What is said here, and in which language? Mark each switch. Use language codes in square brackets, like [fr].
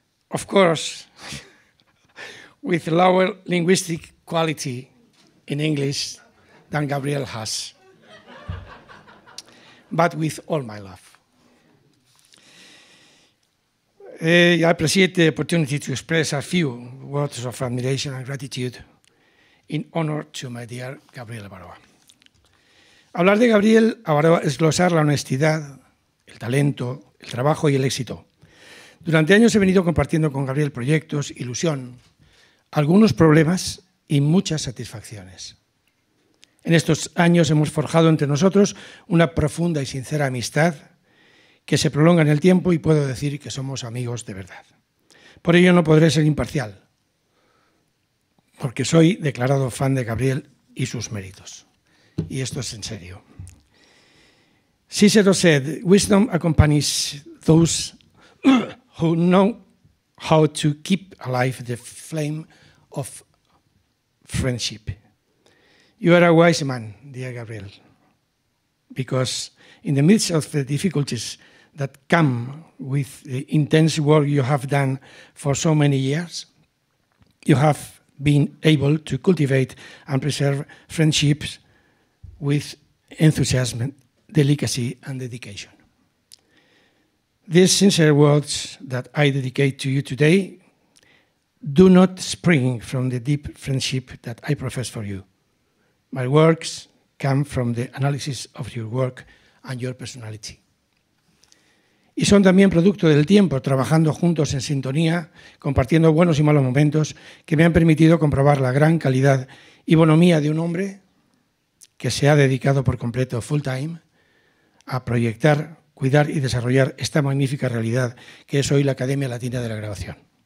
[en] Of course, with lower linguistic quality in English than Gabriel has, but with all my love. I appreciate the opportunity to express a few words of admiration and gratitude in honor to my dear Gabriel Abaroa. [es] Hablar de Gabriel Abaroa es glosar la honestidad, el talento, el trabajo y el éxito. Durante años he venido compartiendo con Gabriel proyectos, ilusión, algunos problemas y muchas satisfacciones. En estos años hemos forjado entre nosotros una profunda y sincera amistad que se prolonga en el tiempo y puedo decir que somos amigos de verdad. Por ello no podré ser imparcial, porque soy declarado fan de Gabriel y sus méritos. Y esto es en serio. [en] Cicero said, wisdom accompanies those who know how to keep alive the flame of friendship. You are a wise man, dear Gabriel, because in the midst of the difficulties that come with the intense work you have done for so many years, you have been able to cultivate and preserve friendships with enthusiasm, delicacy, and dedication. These sincere words that I dedicate to you today do not spring from the deep friendship that I profess for you. My works come from the analysis of your work and your personality. [es] Y son también producto del tiempo, trabajando juntos en sintonía, compartiendo buenos y malos momentos, que me han permitido comprobar la gran calidad y bonomía de un hombre que se ha dedicado por completo, [en] full time, [es] a proyectar, cuidar y desarrollar esta magnífica realidad que es hoy la Academia Latina de la Grabación.